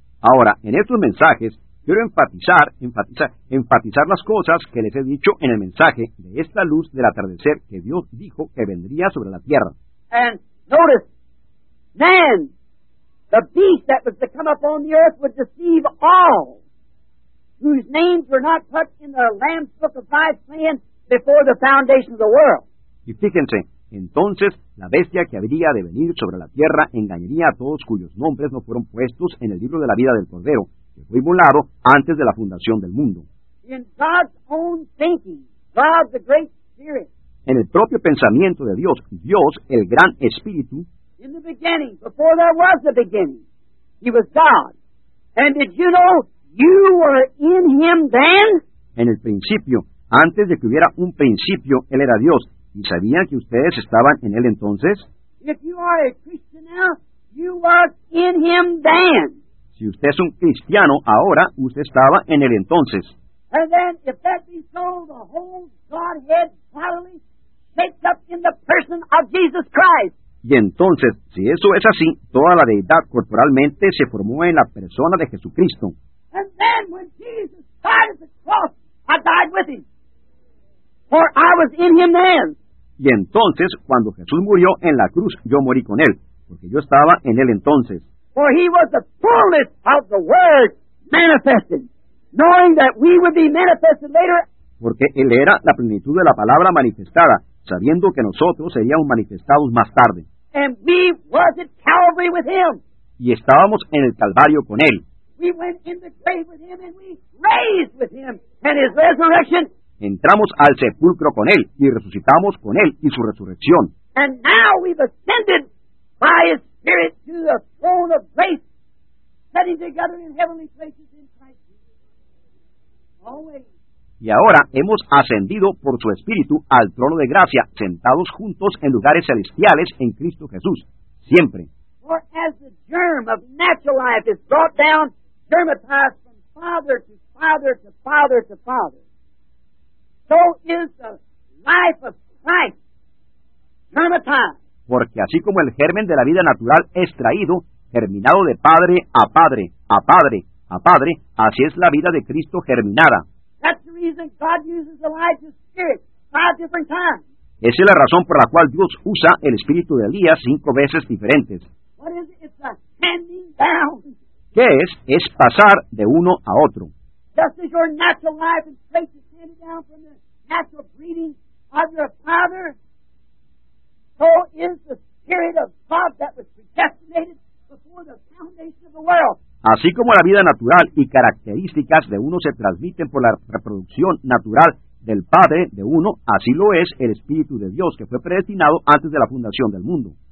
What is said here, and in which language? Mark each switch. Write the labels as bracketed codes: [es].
[es] Ahora, en estos mensajes, quiero enfatizar las cosas que les he dicho en el mensaje de esta luz del atardecer que Dios dijo que vendría sobre la tierra. [en] And notice, man, the beast that was to come upon the earth would deceive all whose names were not put in the Lamb's book of life slain before the foundation of the world. [es] Y fíjense, entonces la bestia que habría de venir sobre la tierra engañaría a todos cuyos nombres no fueron puestos en el libro de la vida del Cordero, que fue inmolado antes de la fundación del mundo. [en] In God's own thinking, God the Great Spirit. [es] En el propio pensamiento de Dios, Dios, el Gran Espíritu. [en] In the beginning, before there was a beginning, he was God. And did you know you were in him then? [es] En el principio, antes de que hubiera un principio, él era Dios. ¿Y sabían que ustedes estaban en él entonces? [en] If you are a Christian now, you were in him then. [es] Si usted es un cristiano ahora, usted estaba en él entonces. [en] And then, if that be so, the whole Godhead bodily shakes up in the person of Jesus Christ. [es] Y entonces, si eso es así, toda la deidad corporalmente se formó en la persona de Jesucristo. [en] And then, when Jesus died at the cross, I died with him. For I was in him then. [es] Y entonces, cuando Jesús murió en la cruz, yo morí con él, porque yo estaba en él entonces. [en] For he was the fullness of the word manifested. Knowing that we would be manifested later. [es] Porque él era la plenitud de la palabra manifestada, sabiendo que nosotros seríamos manifestados más tarde. [en] And we was at Calvary with him. [es] Y estábamos en el Calvario con él. [en] We went in the grave with him and we raised with him. And his resurrection. [es] Entramos al sepulcro con él y resucitamos con él y su resurrección. [en] And now we've ascended by his spirit to the throne of grace, sitting together in heavenly places in Christ Jesus. Always. [es] Y ahora hemos ascendido por su espíritu al trono de gracia, sentados juntos en lugares celestiales en Cristo Jesús, siempre. [en] For as the germ of natural life is brought down, germatized from father to father to father to father, so is the life of Christ germatized. [es] Porque así como el germen de la vida natural es traído, germinado de padre a padre, a padre, a padre, así es la vida de Cristo germinada. [en] That's the reason God uses Elijah's spirit 5 different times. [es] Esa es la razón por la cual Dios usa el espíritu de Elías 5 veces diferentes. [en] What is it? It's a handing down. [es] ¿Qué es? Es pasar de uno a otro. [en] Just as your natural life is placed is handed down from the natural breeding of your father, so is the spirit of God that was predestinated before the foundation of the world. [es] Así como la vida natural y características de uno se transmiten por la reproducción natural del padre de uno, así lo es el Espíritu de Dios que fue predestinado antes de la fundación del mundo.